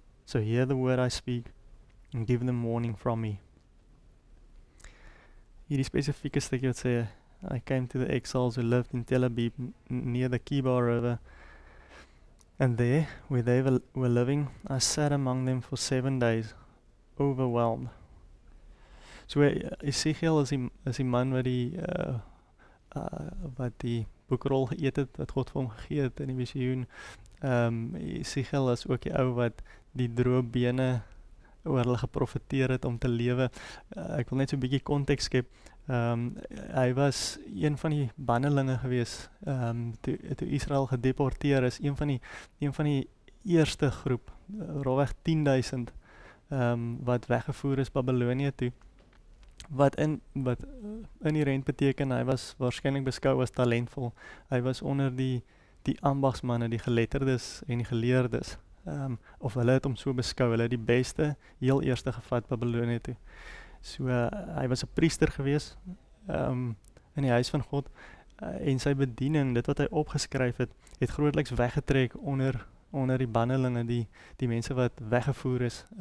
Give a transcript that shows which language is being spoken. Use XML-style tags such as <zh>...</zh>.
<en>So hear the word I speak, and give them warning from me.'"</en> <af>Hierdie spesifieke stukkie wat sê,</af> <en>"I came to the exiles who lived in Tel Abib, near the Kibar River, and there, where they were living, I sat among them for 7 days, overwhelmed."</en> <af>So Esegiel is die man wat die boekrol geëet het, wat God vir hom gegee het in die visioen. Esegiel is ook die ou wat die droë bene oor hulle geprofeteer het om te lewe. Ek wil net so 'n bietjie konteks skep. Hy was een van die bannelinge gewees toe Israel gedeporteer is, een van die eerste groep, rolweg 10.000 wat weggevoer is Babylonie toe, wat in die rent beteken, hy was waarschijnlijk beskou as talentvol. Hy was onder die ambagsmanne, die geletterdes en die geleerdes, of hulle het om so beskou, hulle die beste, heel eerste gevat Babylonie toe. So hy was 'n priester gewees in die huis van God, en sy bediening, dit wat hy opgeskryf het, het grootliks weggetrek onder die bannelinge, die mense wat weggevoer is.</af>